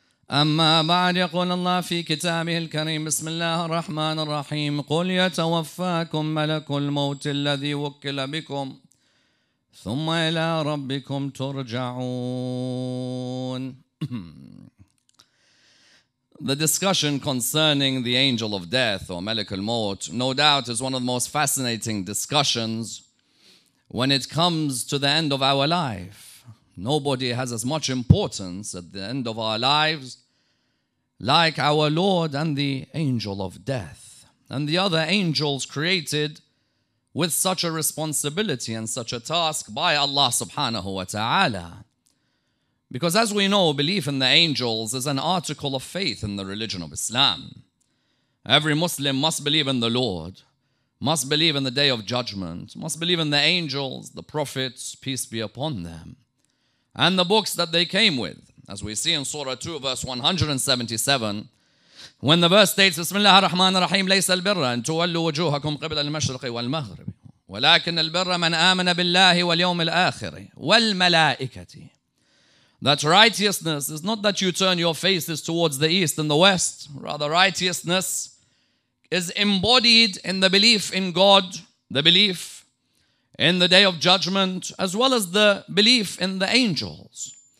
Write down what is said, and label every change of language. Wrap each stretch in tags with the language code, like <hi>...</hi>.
<ar>أما بعد، يقول الله في كتابه الكريم، بسم الله الرحمن الرحيم: قل يتوفاكم ملك الموت الذي وكل بكم ثم إلى ربكم ترجعون.</ar> <en>The discussion concerning the angel of death or</en> <ar>ملك الموت</ar> <en>no doubt is one of the most fascinating discussions when it comes to the end of our life. Nobody has as much importance at the end of our lives like our Lord and the angel of death and the other angels created with such a responsibility and such a task by Allah subhanahu wa ta'ala. Because as we know, belief in the angels is an article of faith in the religion of Islam. Every Muslim must believe in the Lord, must believe in the day of judgment, must believe in the angels, the prophets, peace be upon them, and the books that they came with. As we see in Surah 2, verse 177, when the verse states, Bismillah ar-Rahman ar-Rahim,</en> <ar>ليس البر أن تولوا وجوهكم قبل المشرق والمغرب ولكن البر من آمن بالله واليوم الآخر والملائكة.</ar> <en>That righteousness is not that you turn your faces towards the east and the west. Rather, righteousness is embodied in the belief in God, the belief in the day of judgment, as well as the belief in the angels.</en>